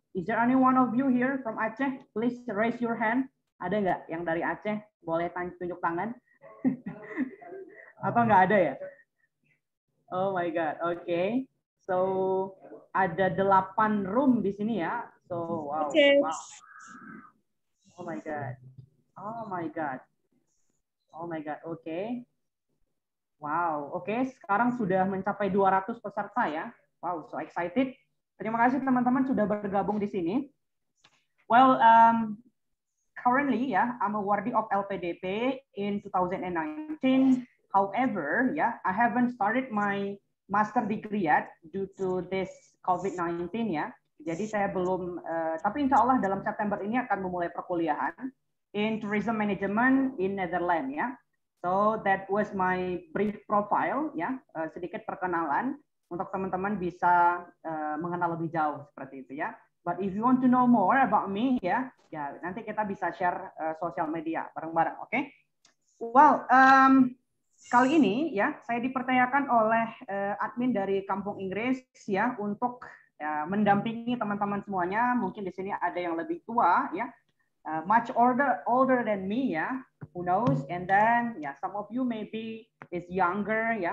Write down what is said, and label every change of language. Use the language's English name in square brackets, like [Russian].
[English] Is there any one of you here from Aceh? Please raise your hand. [Indonesian] Ada nggak yang dari Aceh? Boleh tunjuk tangan? Atau nggak ada ya? [English] Oh my god, [Indonesian] oke. Okay. So ada 8 room di sini ya. So wow. Aceh. [English] Wow. Oh my god. Oh my god. Oh my god, oke. Okay. Wow, oke. Okay. [Indonesian] Sekarang sudah mencapai 200 peserta ya. [English] Wow, so excited. [Indonesian] Terima kasih teman-teman sudah bergabung di sini. [English] Well, currently, ya, yeah, I'm awardee of LPDP in 2019. However, ya, yeah, I haven't started my master degree yet due to this COVID-19, ya. Yeah. [Indonesian] Jadi saya belum, tapi insya Allah dalam September ini akan memulai perkuliahan [English] in tourism management in Netherlands, [Indonesian] ya. [English] So that was my brief profile, ya. [Indonesian] Sedikit perkenalan untuk teman-teman bisa mengenal lebih jauh seperti itu, ya. [English] But if you want to know more about me, ya, [Indonesian] ya nanti kita bisa share social media bareng-bareng, [English] oke? Okay? [Indonesian] Well, kali ini, ya, saya dipercayakan oleh admin dari Kampung Inggris, ya, untuk ya, mendampingi teman-teman semuanya. Mungkin di sini ada yang lebih tua, ya. [English] Much older than me, ya. Who knows? And then, yeah, some of you maybe is younger, ya.